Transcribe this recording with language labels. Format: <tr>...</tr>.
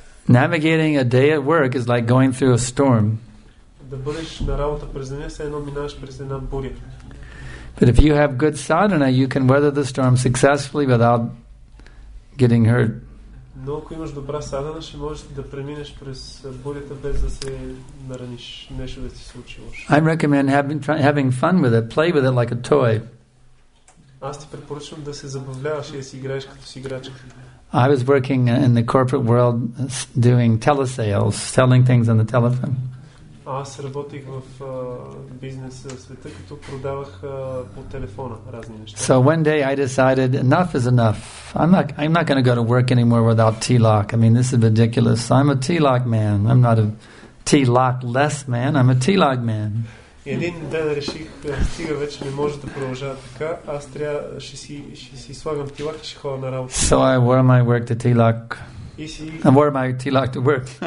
<en>Navigating a day at work is like going through a storm. But if you have good sadhana, you can weather the storm successfully without getting hurt.</en> <bg>Но ако имаш добра садана, ще можеш да преминеш през бурята без да се нараниш, нещо да ти се случи.</bg> <en>I recommend having fun with it, play with it like a toy.</en> <bg>Аз ти препоръчвам да се забавляваш и да си играеш като си играчка.</bg> <en>I was working in the corporate world doing telesales, selling things on the telephone.</en> <bg>Аз работих в бизнес света, като продавах по телефона разни неща.</bg> <en>So one day I decided enough is enough. I'm not going to go to work anymore without T-lock. I mean, this is ridiculous. I'm a T-lock man. I'm not a T-lock-less man. I'm a T-lock man.</en> <bg>Един ден реших, стига вече, не може да продължава така. Аз трябва, ще си слагам T-lock и ще ходя на работа.</bg> <en>So I wore my work to T-lock. I wore my T-lock to work.</en>